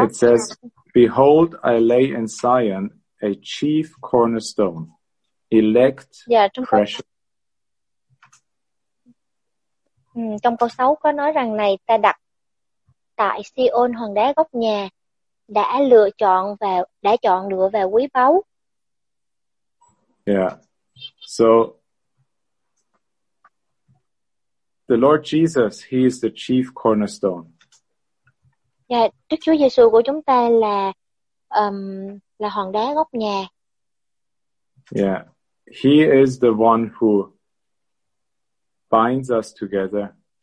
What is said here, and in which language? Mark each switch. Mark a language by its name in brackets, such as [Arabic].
[English] It says, "Behold, I lay in Zion a chief cornerstone, elect, precious." [Vietnamese] Trong câu 6 có nói rằng này ta đặt tại Sion hoàng đá gốc nhà, đã chọn lựa và quý báu. Yeah. [English] So the Lord Jesus, he is the chief cornerstone. [Vietnamese] Yeah, Đức Chúa Giêsu của chúng ta là hòn đá gốc nhà. Yeah. [English] He is the one who binds us together.